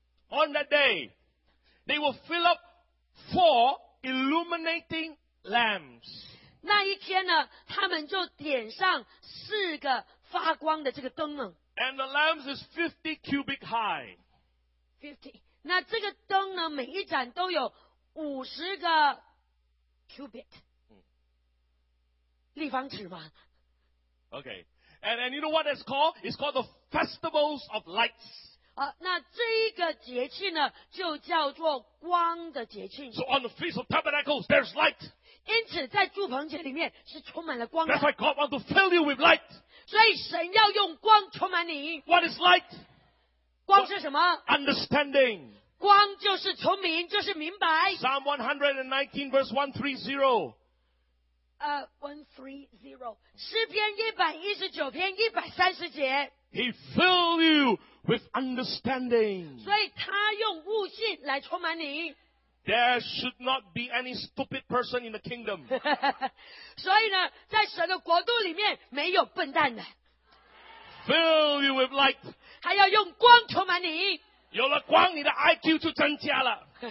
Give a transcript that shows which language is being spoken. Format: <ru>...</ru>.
<en>On that day, they will fill up four illuminating lamps.</en> <zh>那一天呢，他们就点上四个发光的这个灯呢。</zh> <en>And the lamps is 50 cubic high.</en> <zh>50. 那这个灯呢，每一盏都有50个 cubic. 立方尺吗</zh> <en>Okay. And you know what it's called? It's called the Festivals of Lights.</en> <zh>那这一个节庆呢就叫做光的节庆。</zh> <en>So on the Feast of Tabernacles, there's light.</en> <zh>因此在祝棚节里面是充满了光的。</zh> <en>That's why God wants to fill you with light.</en> <zh>所以神要用光充满你。</zh> <en>What is light?</en> <zh>光是什么?</zh> <en>Understanding.</en> <zh>光就是聪明，就是明白。</zh> <en>Psalm 119 verse 130.</en> <zh>130. 诗篇119篇130节。</zh> <en>He fill you with understanding.</en> <zh>所以他用悟性来充满你。</zh> <en>There should not be any stupid person in the kingdom.</en> <zh>所以呢，在神的国度里面没有笨蛋的。</zh> <en>Fill you with light.</en> <zh>他要用光充满你。有了光，你的 IQ 就增加了。</zh>